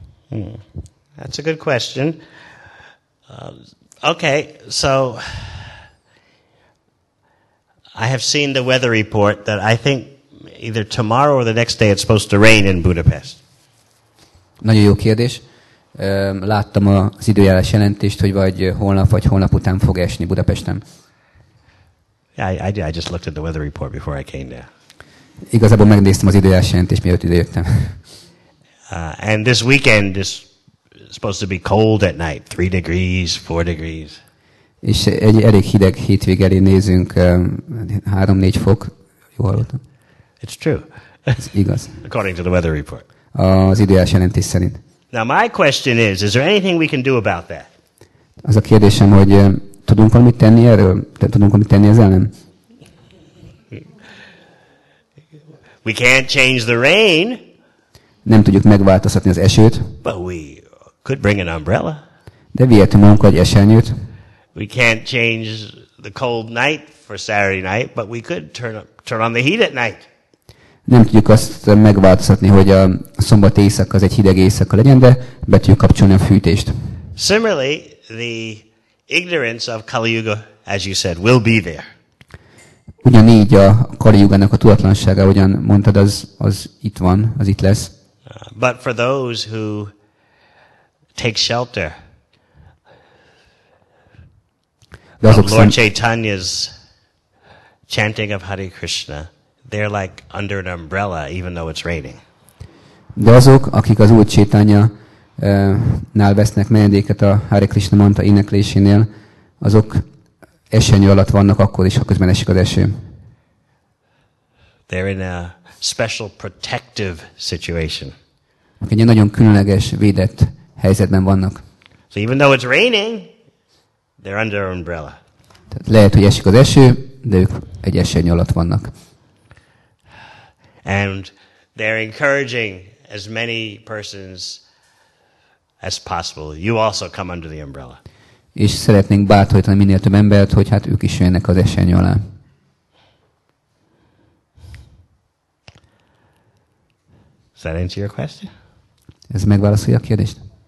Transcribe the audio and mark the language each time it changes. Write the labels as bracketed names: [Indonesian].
[English] That's a good question. Okay, so I have seen the weather report that I think either tomorrow or the next day it's supposed to rain in Budapest. [Hungarian] Nagyon jó kérdés. Láttam az időjárás jelentést, hogy vagy holnap után fog esni Budapesten. [English] I just looked at the weather report before I came there. [Hungarian] Igazából megnéztem az időjárás jelentést, mielőtt idejöttem. [English] And this weekend is supposed to be cold at night, 3 degrees, 4 degrees. [Hungarian] És egy elég hideg hétvég elé nézünk, 3-4 fok. Jó hallottam. [English] It's true. [Hungarian] Ez igaz. [English] According to the weather report. [Hungarian] Az időjárás jelentés szerint. [English] Now my question is there anything we can do about that? [Hungarian] Az a kérdésem, hogy tudunk valamit tenni erről? Tudunk valamit tenni ezzel, nem? [English] We can't change the rain. [Hungarian] Nem tudjuk megváltoztatni az esőt. [English] But we could bring an umbrella. [Hungarian] De vihetünk magunkra egy esernyőt. [English] We can't change the cold night for Saturday night, but we could turn on the heat at night. [Hungarian] Nem tudjuk azt megváltoztatni, hogy a szombat éjszaka az egy hideg éjszaka legyen, de be tudjuk kapcsolni a fűtést. [English] Similarly, the ignorance of Kali Yuga, as you said, will be there. [Hungarian] Ugyanígy a Kali Yuga-nak a tudatlansága, ahogyan mondtad, az itt van, az itt lesz. [English] But for those who take shelter of Lord Chaitanya's chanting of Hare Krishna, they're like under an umbrella, even though it's raining. [Hungarian] De azok, akik az Úr Chaitanyánál vesznek menedéket a Hare Krishna mantra éneklésénél, azok esernyő alatt vannak akkor is, ha közben esik az eső. [English] They're in a special protective situation. [Hungarian] Akik egy nagyon különleges védett helyzetben vannak. [English] So even though it's raining, they're under an umbrella. [Hungarian] Tehát lehet, hogy esik az eső, de ők egy esernyő alatt vannak. [English] And they're encouraging as many persons as possible. You also come under the umbrella. [Hungarian] És szeretnénk bátorítani minél több embert, hogy hát ők is jönnek az esernyő alá. [English] Does that answer your question? [Hungarian] Ez megválaszolja a kérdést?